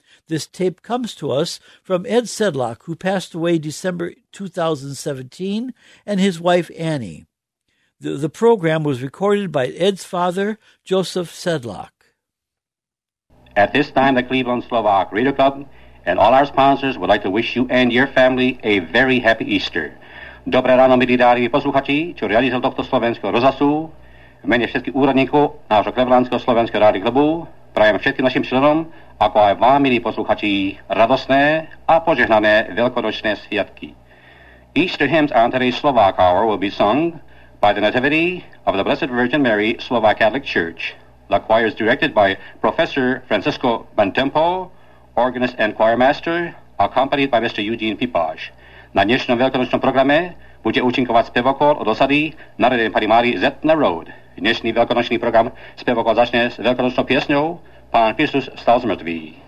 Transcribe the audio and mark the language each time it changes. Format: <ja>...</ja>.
<en>This tape comes to us from Ed Sedlock, who passed away December 2017, and his wife, Annie. The program was recorded by Ed's father, Joseph Sedlock. At this time, the Cleveland Slovak Radio Club and all our sponsors would like to wish you and your family a very happy Easter.</en> <sk>Dobré ráno, milí dámy a posluchači, čo realizoval tohto slovenského rozhlasu. V mene všetkých úradníkov nášho Clevelandského slovenského rádia klubu prajem všetkým našim členom, ako aj vám, milí posluchači, radosné a požehnané veľkonočné sviatky.</sk> <en>Easter hymns on today's Slovak Hour will be sung by the Nativity of the Blessed Virgin Mary Slovak Catholic Church. The choir is directed by Professor Francisco Bantempo, organist and choir master, accompanied by Mr. Eugene Pipáš.</en> <sk>Na dnešnom veľkonočnom programe bude účinkovať spevokor od osady Narodenej Panny Márie Zetna Road. Dnešný veľkonočný program spevokor začne s veľkonočnou piesňou Pán Kristus vstal z mŕtvych.</sk>